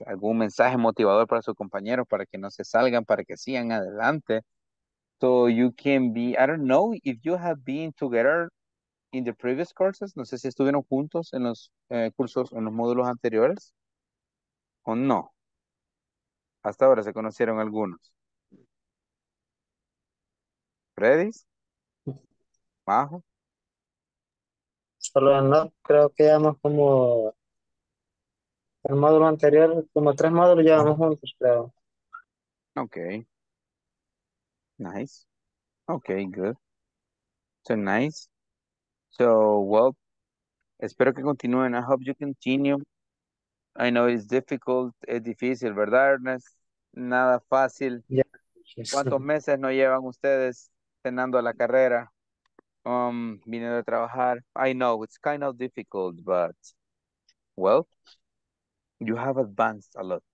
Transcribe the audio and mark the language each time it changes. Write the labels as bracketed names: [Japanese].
[Spanish] Algún mensaje motivador para sus compañeros para que no se salgan, para que sigan adelante. [English] So you can be, I don't know if you have been together in the previous courses. [Spanish] No sé si estuvieron juntos en los cursos, en los módulos anteriores o no. Hasta ahora se conocieron algunos. ¿Redis? ¿Majo? Solo no, creo que llevamos como el módulo anterior, como 3 módulos llevamos juntos, creo. [English] Ok. Nice. Ok, good. So nice. So, well, [Spanish] espero que continúen. [English] I hope you continue. I know it's difficult. [Spanish] Es difícil, ¿verdad, Ernest? Nada fácil. [English] Yeah. [Spanish] ¿Cuántos meses no llevan ustedes cenando a la carrera? Viniendo a trabajar. [English] I know it's kind of difficult, but well, you have advanced a lot.